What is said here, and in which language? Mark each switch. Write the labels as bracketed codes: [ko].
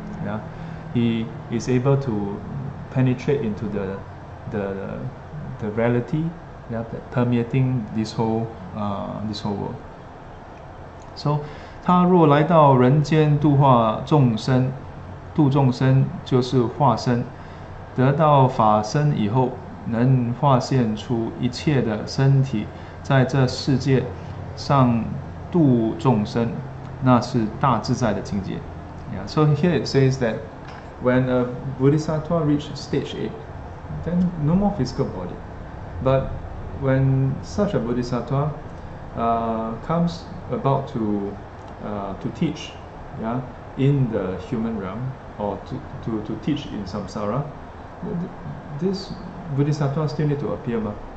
[en] Yeah, he is able to penetrate into the reality. Yeah, that permeating this whole world. [zh] So, 他若来到人间度化众生。度众生就是化身，得到法身以后，能化现出一切的身体，在这世界上度众生，那是大自在的境界。 [en] Yeah, so here it says that when a Bodhisattva reached stage 8, then no more physical body. But when such a Bodhisattva comes about to teach, yeah, in the human realm, or to teach in samsara, this Bodhisattva still need to appear, ma.